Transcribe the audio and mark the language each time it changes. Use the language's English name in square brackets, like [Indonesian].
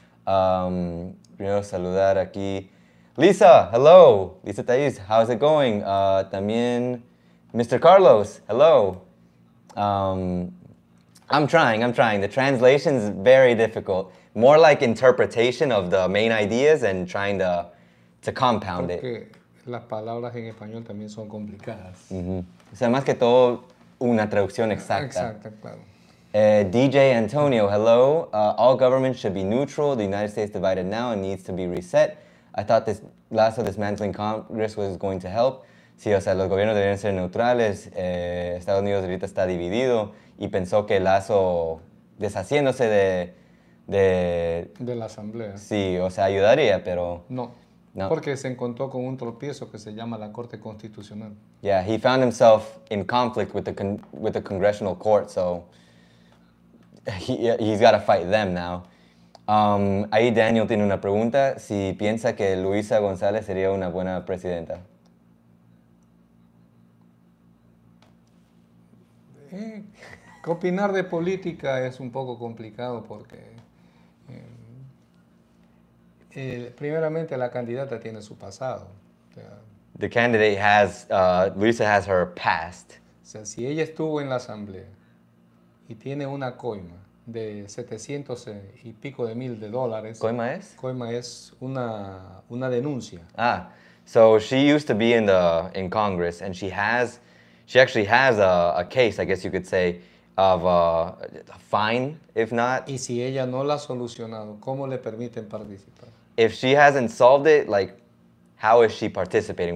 [Spanish] Primero saludar aquí. Lisa, hello. [English] Lisa Thais, how's it going? También Mr. Carlos, hello. I'm trying. The translation's very difficult. More like interpretation of the main ideas and trying to compound [Spanish] porque [English] it. [Spanish] Porque las palabras en español también son complicadas. Mm-hmm. O sea, más que todo, una traducción exacta. Exacta, claro. [English] DJ Antonio, hello. All governments should be neutral. The United States divided now and needs to be reset. I thought this last of dismantling Congress was going to help. [Spanish] Sí, o sea, los gobiernos deberían ser neutrales. Estados Unidos ahorita está dividido. Y pensó que Lazo, deshaciéndose de la Asamblea. Sí, o sea, ayudaría, pero... No, porque se encontró con un tropiezo que se llama la Corte Constitucional. [English] Yeah, he found himself in conflict with the Congressional Court, so... He's got to fight them now. [Spanish] Ahí Daniel tiene una pregunta. Si piensa que Luisa González sería una buena presidenta. Opinar de política es un poco complicado porque primeramente la candidata tiene su pasado. [English] The candidate has, Luisa has her past. [Spanish] O sea, si ella estuvo en la asamblea y tiene una coima de 700 y pico de mil de dólares. ¿Coima es? Coima es una denuncia. [English] Ah, so she used to be in Congress and she actually has a case, I guess you could say, of a fine, if not. [Spanish] ¿Y si ella no la ha solucionado, cómo le permiten participar? [English] If she hasn't solved it, like, how is she participating?